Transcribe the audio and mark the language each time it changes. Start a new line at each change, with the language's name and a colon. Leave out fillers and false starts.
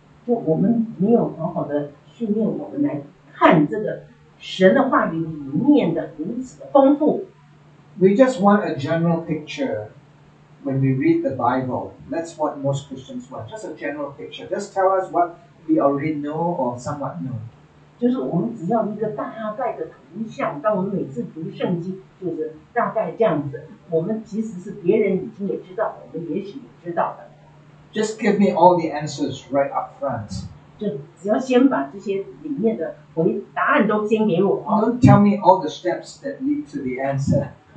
Chinese: 就我们没有好好的训练我们来看这个神的话语里面的如此的丰富。
English: We just want a general picture when we read the Bible. That's what most Christians want. Just a general picture. Just tell us what we already know or somewhat know.
Chinese: 就是我们只要一个大概的图像，当我们每次读圣经，就是大概这样子。我们即使是别人已经也知道，我们也许也知道的。
English: Just give me all the answers right up front.
Chinese: 就只要先把这些里面的回答案都先给我。
English: Don't tell me all the steps that lead to the answer.